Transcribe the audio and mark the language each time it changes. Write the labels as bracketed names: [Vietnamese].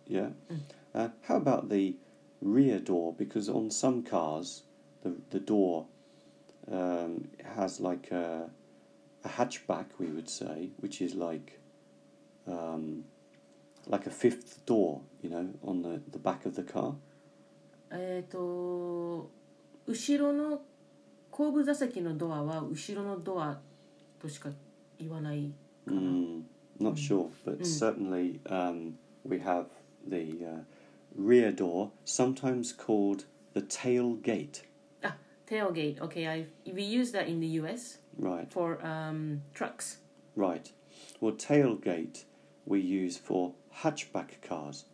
[English] Yeah. How about the rear door? Because on some cars, the door has like a hatchback, we would say, which is like a fifth door, you know, on the back of the car. [Japanese] 後ろの後部座席のドアは後ろのドアとしか言わないかな? [English] Not sure, but certainly we have the rear door, sometimes called the tailgate. Ah, tailgate. Okay, we use that in the US. Right. For trucks. Right. Well, tailgate we use for hatchback cars.